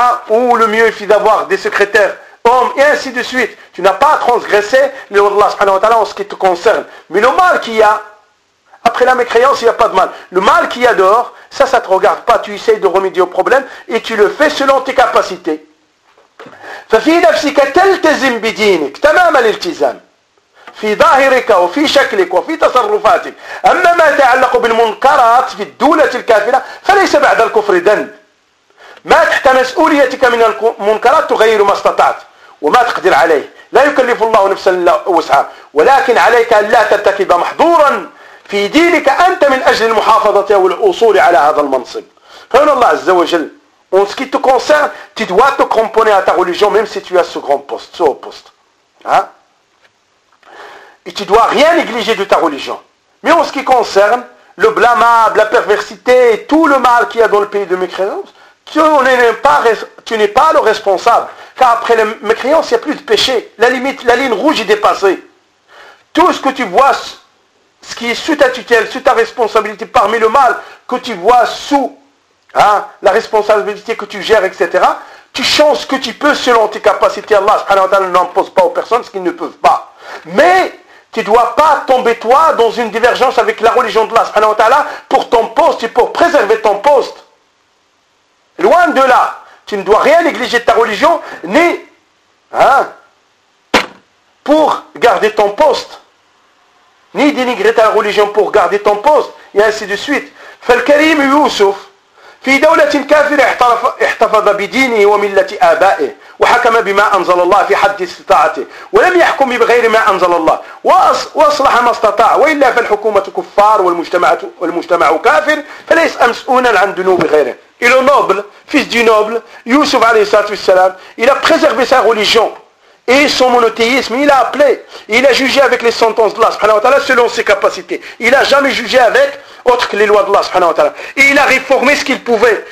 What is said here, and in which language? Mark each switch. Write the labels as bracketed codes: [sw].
[fr] Ou le mieux, il faut d'avoir des secrétaires hommes, et ainsi de suite. Tu n'as pas à transgresser les lois d'Allah subhanahu wa ta'ala en ce qui te concerne. Mais le mal qu'il y a, après la mécréance, il n'y a pas de mal. Le mal qu'il y a dehors, ça ne te regarde pas. Tu essayes de remédier au problème et tu le fais selon tes capacités. [ar] ففي نفسك تلتزم بدينك تمام الالتزام في ظاهرك وفي شكلك وفي تصرفاتك أما ما يتعلق بالمنكرات في الدولة الكافرة فليس بعد الكفر دن ما تحت مسؤوليتك من المنكرات تغير ما استطعت وما تقدر عليه لا يكلف الله نفسا إلا وسعها ولكن عليك أن لا ترتكب محظورا في دينك أنت من أجل المحافظة والأصول على هذا المنصب فهنا الله عز وجل [fr] En ce qui te concerne, tu dois te cramponner à ta religion, même si tu as ce grand poste, ce haut poste. Et tu ne dois rien négliger de ta religion. Mais en ce qui concerne le blâmable, la perversité, tout le mal qu'il y a dans le pays de mécréance, tu n'es pas le responsable. Car après la mécréance, il n'y a plus de péché. La limite, la ligne rouge est dépassée. Tout ce que tu vois, ce qui est sous ta tutelle, sous ta responsabilité, parmi le mal que tu vois sous la responsabilité que tu gères, etc. Tu changes ce que tu peux selon tes capacités. Allah subhanahu wa ta'ala n'impose pas aux personnes ce qu'ils ne peuvent pas. Mais tu ne dois pas tomber toi dans une divergence avec la religion d'Allah subhanahu wa ta'ala pour ton poste et pour préserver ton poste. Loin de là, tu ne dois rien négliger de ta religion, ni hein, pour garder ton poste, ni dénigrer ta religion pour garder ton poste, et ainsi de suite. [ar] فالكريم يوسف في دولة كافرة احتفظ بدينه وملة آبائه وحكم بما أنزل الله في حد استطاعته ولم يحكم بغير ما أنزل الله وأصلح ما استطاع وإلا فالحكومة كفار والمجتمع كافر فليس مسؤولا عن ذنوب غيره. [fr] Et le noble, fils du noble, Youssouf alayhi salam, il a préservé sa religion et son monothéisme, il a appelé, il a jugé avec les sentences d'Allah subhanahu wa ta'ala selon ses capacités. Il n'a jamais jugé avec autre que les lois d'Allah subhanahu wa ta'ala. Et il a réformé ce qu'il pouvait.